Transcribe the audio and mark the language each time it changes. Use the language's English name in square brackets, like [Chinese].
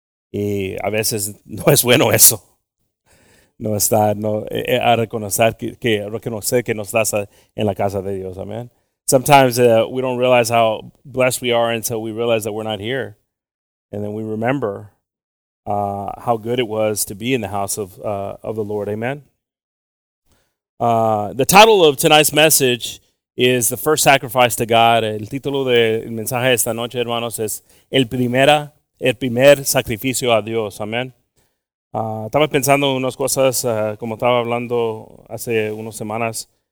[Spanish] Y a veces no es bueno eso. No estar, reconocer que no estás en la casa de Dios. [English] Amen. Sometimes we don't realize how blessed we are until we realize that we're not here. And then we remember how good it was to be in the house of the Lord. Amen. The title of tonight's message is The First Sacrifice to God. [Spanish] El título del mensaje esta noche, hermanos, es El primer sacrificio a Dios. Amen. Estaba pensando en unas cosas, como estaba hablando hace unas semanas.